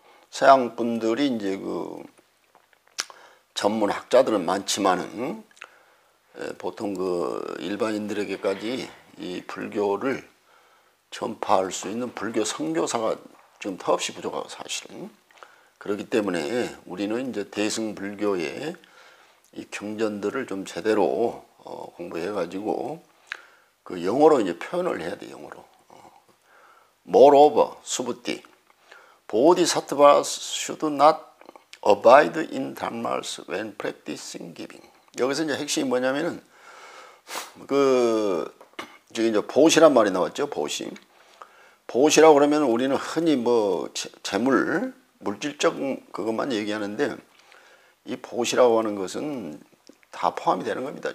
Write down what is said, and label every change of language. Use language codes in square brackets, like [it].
[ko] 서양 분들이 이제 그 전문 학자들은 많지만은 보통 그 일반인들에게까지 이 불교를 전파할 수 있는 불교 선교사가 지금 턱없이 부족하고 사실은 그렇기 때문에 우리는 이제 대승 불교의 이 경전들을 좀 제대로 공부해가지고 그 영어로 이제 표현을 해야 돼 영어로. [en] Moreover, Subhuti, Bodhisattvas should not abide in dharmas when practicing giving. [ko] 여기서 이제 핵심이 뭐냐면은 그 지금 이제 보시란 말이 나왔죠 보시. 보시라고 그러면 우리는 흔히 뭐 재물, 물질적 그것만 얘기하는데 이 보시라고 하는 것은 다 포함이 되는 겁니다.